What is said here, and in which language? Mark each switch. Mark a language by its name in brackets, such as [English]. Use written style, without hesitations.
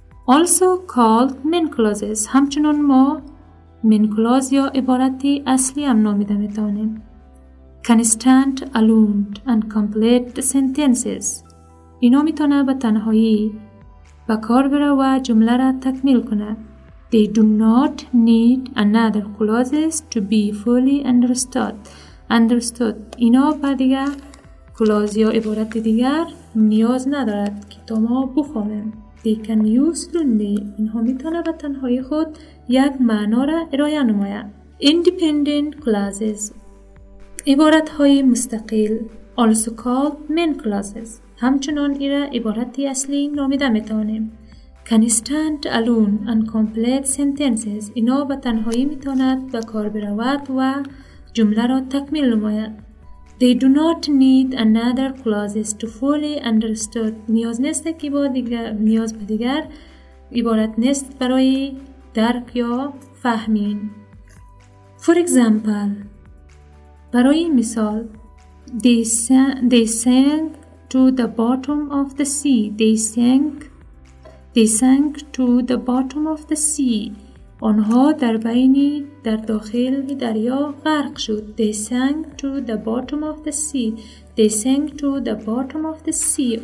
[English] Also called main clauses, [Persian] همچنان ما main clause یا عباراتی اصلی هم نامیده میتونیم. [English] Can stand alone and complete the sentences. [Persian] اینا میتونه به تنهایی به کار بره و جمله را تکمیل کنه. [English] They do not need another clauses to be fully understood. Understood. [Persian] اینا با دیگه کلاز یا عبارت دیگر نیاز ندارد که تا ما بخوانیم. [English] They can use lonely. [Persian] اینها میتونه به تنهای خود یک معنا را ارائه نماید. [English] Independent clauses. [Persian] عبارت های مستقل. [English] Also called main clauses. [Persian] همچنان ایرا عبارتی اصلی نامیده میتونیم. [English] Can stand alone and complete sentences. [Persian] اینا به تنهایی میتوند به کار برود و جمله را تکمیل نماید. [English] They do not need another clauses to fully understood. [Persian] نیاز نیست که با دیگر نیاز به دیگر عبارت نیست برای درک یا فهمین. [English] For example, [Persian] برای مثال, [English] they sank to the bottom of the sea. They sank to the bottom of the sea. [Persian] آنها در بین در داخل دریا غرق شد. [English] They sank to the bottom of the sea. They sank to the bottom of the sea.